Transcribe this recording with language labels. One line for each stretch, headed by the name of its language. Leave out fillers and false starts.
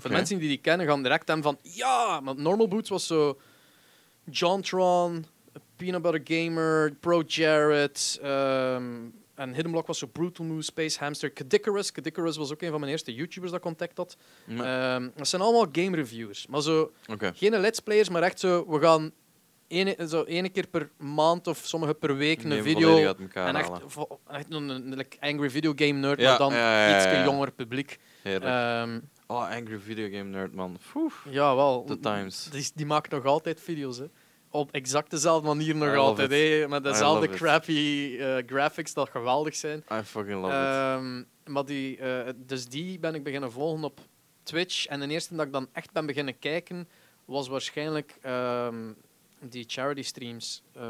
Dutch: Voor mensen die kennen, gaan direct hem van, ja, maar Normal Boots was zo, JonTron, Peanut Butter Gamer, Pro Jared, en Hidden Block was zo Brutal Moose, Space Hamster, Kadikarus was ook een van mijn eerste YouTubers dat contact had. Mm. Dat zijn allemaal game reviewers, maar zo,
English: okay.
Dutch: Geen Let's Players, maar echt zo, we gaan... Eén keer per maand of sommige per week een video. En echt een angry video game nerd, ja, maar dan iets jonger publiek. Angry video game nerd, man. Oef. Ja, wel.
English: The times.
Dutch: Die maakt nog altijd video's, hè. op exact dezelfde manier nog altijd. Hey, met dezelfde crappy graphics dat geweldig zijn.
English: I fucking love it.
Dutch: Maar die, dus die ben ik beginnen volgen op Twitch. En de eerste dat ik dan echt ben beginnen kijken, was waarschijnlijk die charity streams.